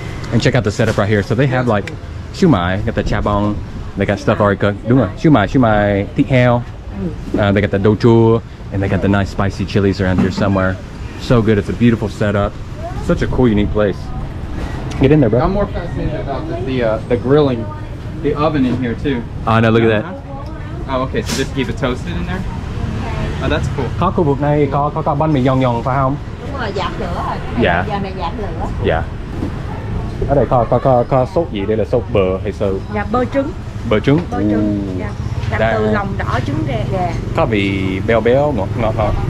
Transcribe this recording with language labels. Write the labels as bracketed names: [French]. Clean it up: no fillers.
[English] And check out the setup right here. So they have like siu mai, got the cha bông, they got stuff already cooked. [Vietnamese] Đúng rồi, siu mai, thịt heo. [English] They got the dou chua, and they got the nice spicy chilies around here somewhere. So good, it's a beautiful setup. Such a cool, unique place. Get in there, bro. I'm more fascinated about the grilling, the oven in here too. Oh, no, look at that. Oh, okay, so just keep it toasted in there? Oh, that's cool. [Vietnamese] Có khu vực này có bánh mì giòn giòn phải không? Đúng rồi, dạt lửa rồi. Dạ. Dạ. Ở đây có sốt gì? Đây là sốt bơ hay sao? Dạ, bơ trứng. Bơ trứng. Bơ trứng. Dạ. Đặc từ lòng đỏ trứng gà. Có vị béo béo ngọt không?